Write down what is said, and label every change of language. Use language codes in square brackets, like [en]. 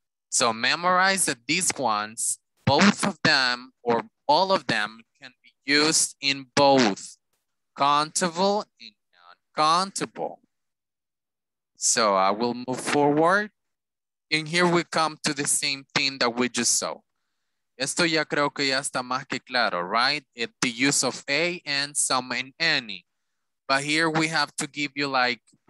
[en] So memorize that these ones, both of them or all of them can be used in both countable and non-countable. So I will move forward. And here we come to the same thing that we just saw. [es] Esto ya creo que ya está más que claro, right? [en] It's the use of a and some and any. But here we have to give you like